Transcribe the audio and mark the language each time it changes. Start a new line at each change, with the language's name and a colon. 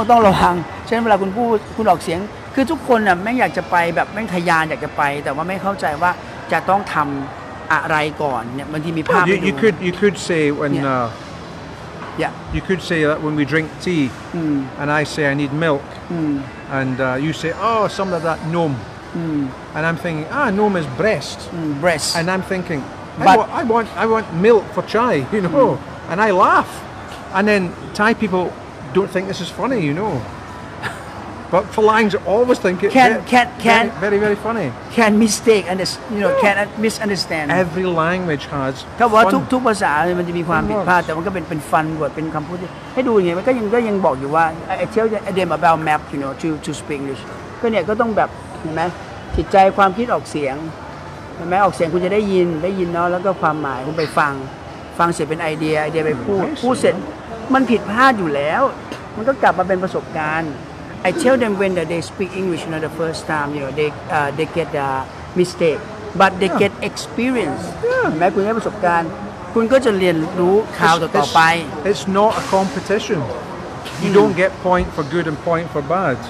Thai: ต้องระวังเช่นเวลาคุณออกเสียงคือทุกคนแม่งอยากจะไปแบบแม่งทะยานอยากจะไปแต่ว่าไม่เข้าใจว่าจะต้องทำอะไรก่อนเนี่ยบางทีมีภาพไม่ดู
English: You could say when Yeah. You could say that when we drink tea, and I say I need milk, and you say, oh, some of that nom. And I'm thinking, nom is breast. Breast. And I'm thinking, I want milk for chai, you know. And I laugh. And then Thai people don't think this is funny, you know. But Phalangs always think it's very, very funny. Can mistake, and you know, can misunderstand. Every language has
Thai: ถ้าว่าทุกภาษามันจะมีความผิดพลาดแต่มันก็เป็น fun word เป็นคำพูดให้ดูอย่างเงี้ยก็ยังบอกอยู่ว่า
English: I tell you, them about map, you know, to speak English.
Thai: ก็เนี่ยก็ต้องแบบเห็นไหมจิตใจความคิดออกเสียงเห็นไหมออกเสียงคุณจะได้ยินเนาะแล้วก็ความหมายคุณไปฟังเสร็จเป็นไอเดียไปพูดเสร็จมันผิดพลาดอยู่แล้วมันก็กลับมาเป็นประสบการณ์
English: I tell them when they speak English, you know, the first time, you know, they get a mistake, but they get experience.
Thai: แม้คุณได้ประสบการณ์คุณก็จะเรียนรู้คราวต่อไป
English: It's not a competition. You don't get point for good and point for bad.